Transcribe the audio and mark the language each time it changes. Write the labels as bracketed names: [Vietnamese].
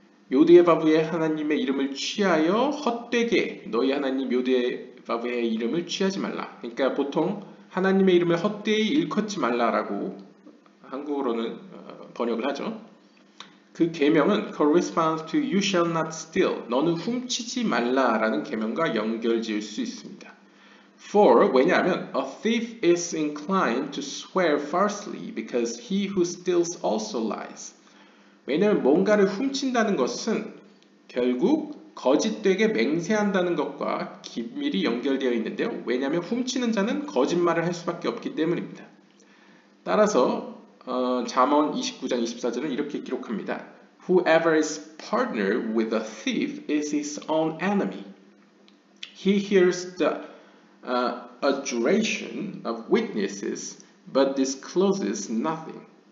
[Korean] 요데바브의 하나님의 이름을 취하여 헛되게 너희 하나님 요데바브의 이름을 취하지 말라. 그러니까 보통 하나님의 이름을 헛되이 일컫지 말라라고 한국어로는 번역을 하죠. 그 계명은 [English] corresponds to you shall not steal. [Korean] 너는 훔치지 말라라는 계명과 연결지을 수 있습니다. [English] For [Korean] 왜냐하면 [English] a thief is inclined to swear falsely because he who steals also lies. [Korean] 왜냐하면 뭔가를 훔친다는 것은 결국 거짓되게 맹세한다는 것과 긴밀히 연결되어 있는데요. 왜냐하면 훔치는 자는 거짓말을 할 수밖에 없기 때문입니다. 따라서 잠언 29장 24절은 이렇게 기록합니다. [English] Whoever is partnered with a thief is his own enemy. He hears the adjuration of witnesses but discloses nothing.